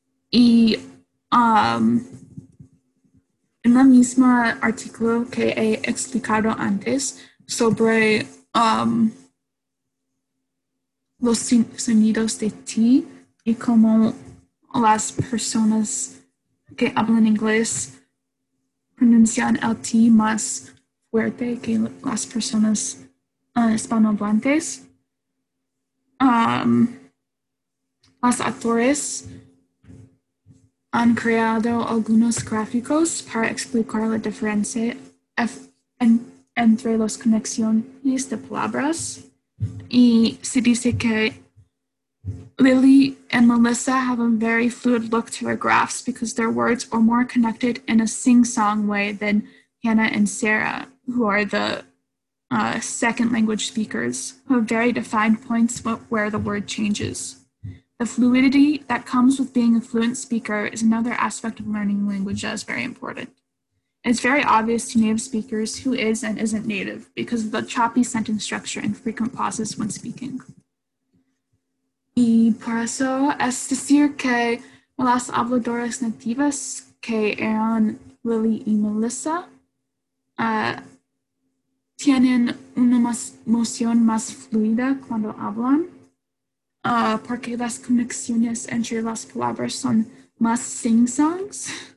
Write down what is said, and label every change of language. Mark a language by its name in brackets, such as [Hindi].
[Spanish] Y en la misma artículo que he explicado antes sobre los sonidos de ti y cómo las personas que hablan inglés pronuncian el ti más fuerte que las personas hispanohablantes. Los actores han creado algunos gráficos para explicar la diferencia entre las conexiones de palabras. Y se dice que [English] Lily and Melissa have a very fluid look to their graphs because their words are more connected in a sing-song way than Hannah and Sarah, who are the second language speakers, who have very defined points where the word changes. The fluidity that comes with being a fluent speaker is another aspect of learning language that is very important. It's very obvious to native speakers who is and isn't native because of the choppy sentence structure and frequent pauses when speaking. [Spanish] Y por eso es decir que las habladoras nativas que eran Lily y Melissa tienen una moción más fluida cuando hablan porque las conexiones entre las palabras son más sing-songs.